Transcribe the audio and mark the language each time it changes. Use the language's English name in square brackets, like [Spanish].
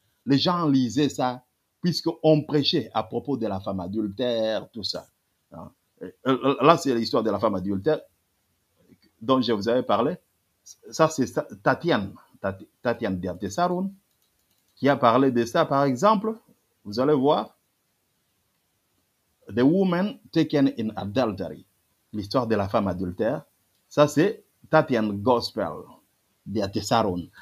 [French] Les gens lisaient ça, puisqu'on prêchait à propos de la femme adultère, tout ça. Là, c'est l'histoire de la femme adultère dont je vous avais parlé. Ça, c'est Tatiane Diatessaron qui a parlé de ça, par exemple. Vous allez voir. [English] The woman taken in adultery. [French] L'histoire de la femme adultère. Ça, c'est Tatiane Gospel. Diatessaron.